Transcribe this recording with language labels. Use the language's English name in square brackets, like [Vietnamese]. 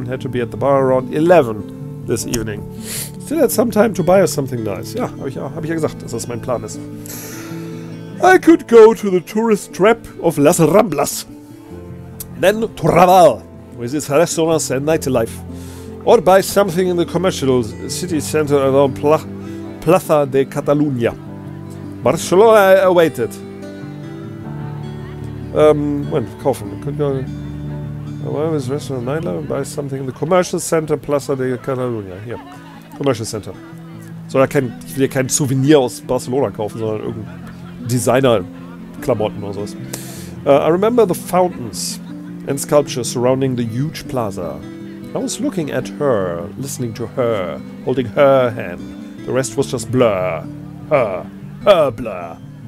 [English] and had to be at the bar around 11 this evening. Still had some time to buy us something nice. [German] Ja, hab ich ja gesagt, dass das mein Plan ist. [English] I could go to the tourist trap of Las Ramblas. Then travel with its restaurants and nightlife. Or buy something in the commercial city center around Plaza de Catalunya. Barcelona awaited. Kaufen. Could go. Where was restaurant nightlife? Buy something in the commercial center Plaza de Catalunya. Here. Commercial center. [German] So, ich will ja kein Souvenir aus Barcelona kaufen, sondern irgendein Designer-Klamotten oder sowas. [English] I remember the fountains and sculptures surrounding the huge plaza. I was looking at her, listening to her, holding her hand. The rest was just blur. Her blur.